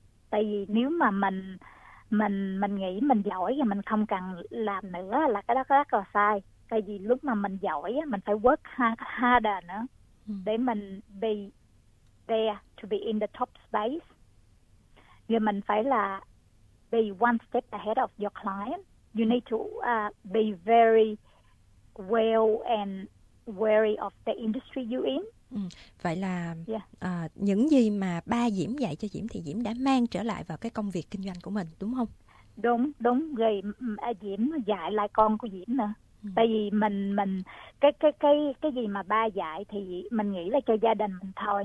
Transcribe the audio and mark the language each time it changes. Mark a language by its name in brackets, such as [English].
[Vietnamese] Tại vì nếu mà mình nghĩ mình giỏi và mình không cần làm nữa là cái đó rất là sai. Tại vì lúc mà mình giỏi mình phải [English] work harder [Vietnamese] nữa để mình [English] be there to be in the top space. [Vietnamese] Vì mình phải là [English] be one step ahead of your client. You need to be very well and wary of the industry you're in. [Vietnamese] Vậy là những gì mà ba Diễm dạy cho Diễm thì Diễm đã mang trở lại vào cái công việc kinh doanh của mình, đúng không? Đúng, đúng. Rồi Diễm dạy lại con của Diễm nữa. Tại vì mình cái gì mà ba dạy thì mình nghĩ là cho gia đình mình thôi.